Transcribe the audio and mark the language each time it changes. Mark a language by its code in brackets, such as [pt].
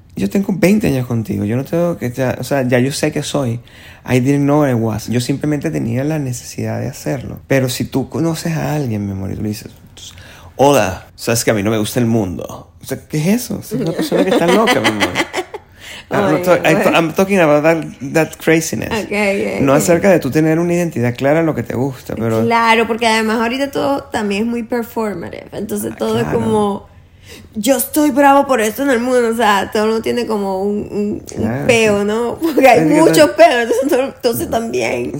[es] Yo tengo 20 años contigo. Yo no tengo que... ya yo sé que soy. [en] I didn't know I was. [es] Yo simplemente tenía la necesidad de hacerlo. Pero si tú conoces a alguien, mi amor, y tú le dices... hola, sabes que a mí no me gusta el mundo. O sea, ¿qué es eso? Es una persona que está loca, mi amor. [en] I'm talking about that craziness. Okay. [es] No acerca de tú tener una identidad clara en lo que te gusta, pero... Claro, porque además ahorita todo también es muy performative. Entonces todo claro. Es como... yo estoy bravo por esto en el mundo. O sea, todo el mundo tiene como un peo, ¿no? Porque hay muchos peos. Entonces también...